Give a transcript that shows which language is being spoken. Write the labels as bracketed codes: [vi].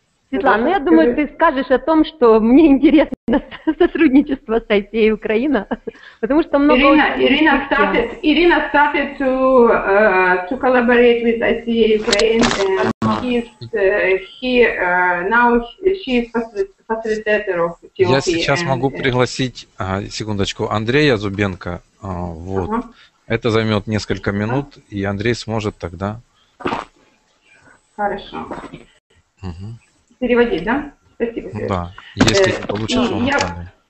[ru] Светлана, ну я думаю, ты скажешь о том, что мне интересно сотрудничество с ICA Украина, потому что много... [en] Ирина started to collaborate with ICA Ukraine, and she is facilitator of TOP. [ru] Я сейчас могу пригласить, секундочку, Андрея Зубенко, вот, это займет несколько минут, и Андрей сможет тогда... Хорошо. Переводить, да? Спасибо. Ну, да, если получится.